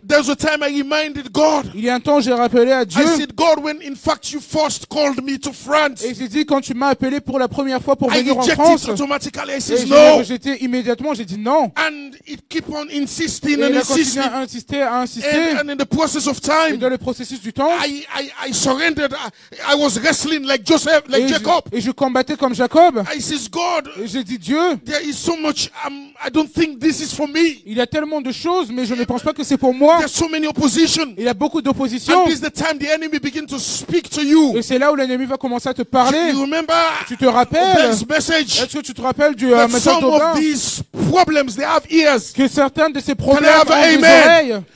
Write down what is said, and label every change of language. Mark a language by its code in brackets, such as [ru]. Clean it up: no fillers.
[en] There's a time I reminded God. [fr] Il y a un temps j'ai rappelé à Dieu. [en] I said, God, when in fact you first called me to France. [fr] Et j'ai dit quand tu m'as appelé pour la première fois pour [en] I [fr] venir en France. [en] It automatically. I said, [fr] et no. J'ai rejeté immédiatement, j'ai dit non. [en] And it keep on insisting [fr] et [en] and insisting. [fr] Et il a continué à insister. [en] In the process of time, [fr] et dans le processus du temps, [en] I surrendered. I was wrestling like Joseph, like [fr] et [en] Jacob. [fr] Et je combattais comme Jacob. [en] I says God. [fr] J'ai dit Dieu. [en] There is so much. I don't think this is for me. [fr] Il y a tellement de choses, mais je ne pense pas que c'est pour moi. [en] There's so many opposition. [fr] Il y a beaucoup d'opposition. [en] And this is the time the enemy begin to speak to you. [fr] Et c'est là où l'ennemi va commencer à te parler. [en] You remember? [fr] Tu te rappelles? [en] Message. [fr] Est-ce que tu te rappelles du message d'Oba? [en] Some of these problems they have ears. [fr] Que certains de ces problèmes ont des oreilles.